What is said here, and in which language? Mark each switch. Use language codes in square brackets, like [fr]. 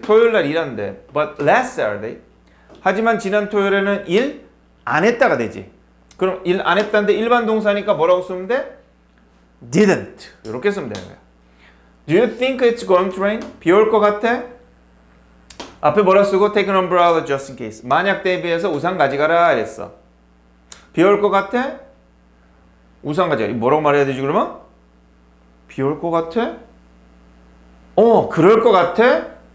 [ko] 토요일날 일하는데. [en] But last Saturday. [ko] 하지만 지난 토요일에는 일 안 했다가 되지. 그럼 일 안 했다는데 일반 동사니까 뭐라고 쓰면 돼? Didn't. 이렇게 쓰면 되는 거야. [en] Do you think it's going to rain? [ko] 비 올 것 같아? 앞에 뭐라 쓰고? [en] Take an umbrella just in case. [ko] 만약 대비해서 우산 가져가라 이랬어. 비 올 것 같아? 우산 가져가. 뭐라고 말해야 되지 그러면? 비 올 것 같아? 어, 그럴 것 같아?